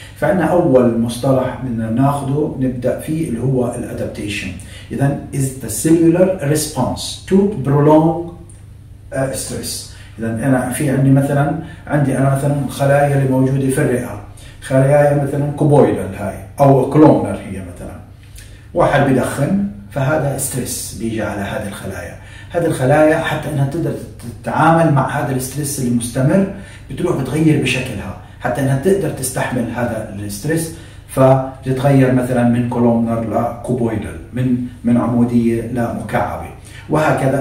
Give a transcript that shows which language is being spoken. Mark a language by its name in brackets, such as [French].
[Arabic] فعنا أول مصطلح من ناخده نبدأ فيه اللي هو adaptation. [English] إذن is the cellular response to prolong stress. [Arabic] إذن أنا في عندي مثلاً، عندي أنا مثلاً خلايا اللي موجودة في الرئة، خلايا مثلا كوبويدال هاي او كلونر هي مثلا، واحد بيدخن، فهذا ستريس بيجي على هذه الخلايا. هذه الخلايا حتى انها تقدر تتعامل مع هذا الستريس المستمر بتروح بتغير بشكلها حتى انها تقدر تستحمل هذا الستريس، فتتغير مثلا من كلونر لكوبويدال، من عموديه لمكعبه، وهكذا.